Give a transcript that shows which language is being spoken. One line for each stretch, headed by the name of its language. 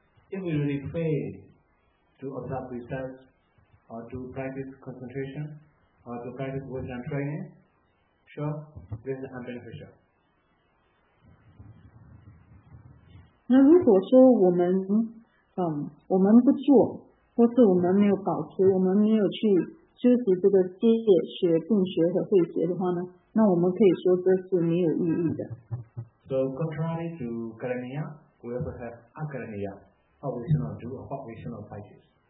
English: If we really fail to observe precepts, or to practice concentration, or to practice wisdom training, sure, this is unbeneficial.
Chinese: 那如果说我们我们不做，或是我们没有保持，我们没有去修习这个戒学、定学和慧学的话呢，那我们可以说这是没有意义的。
English: So contrary to karmaya, we also have akarmaya, what we should not do, or what we should not practice.